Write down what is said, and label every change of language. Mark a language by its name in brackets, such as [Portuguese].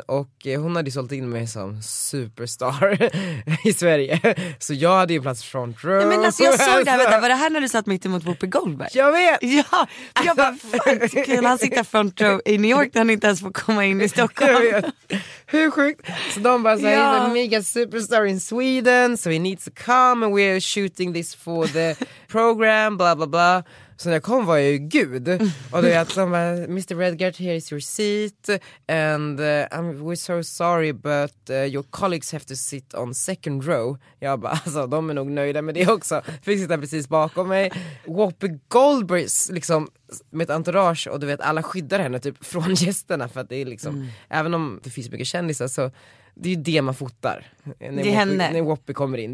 [Swedish] Och hon hade ju sålt in mig som superstar i Sverige. Så jag hade ju plats front row. Nej, men alltså jag såg det här, vänta, var det här när du satt mitt emot Whoopi Goldberg? Jag vet! Ja, jag bara, fan, kan han sitta front row i New York när han inte ens får komma in i Stockholm? Hur sjukt! Så de bara säger, ja. [English] He's a mega superstar in Sweden, so he needs to come and we're shooting this for the program, bla bla bla. [Swedish] Så när jag kom var jag ju gud. Och då är jag att de bara, Mr. [English] Redgert, here is your seat. And we're so sorry, but your colleagues have to sit on second row. [Swedish] Jag bara, alltså de är nog nöjda med det också. Fick sitta precis bakom mig. Whoopi Goldberg, liksom med ett entourage. Och du vet, alla skyddar henne typ från gästerna. För att det är liksom, även om det finns mycket kändisar så... Det är ju det man fotar. Det är henne. När Whoopi kommer in.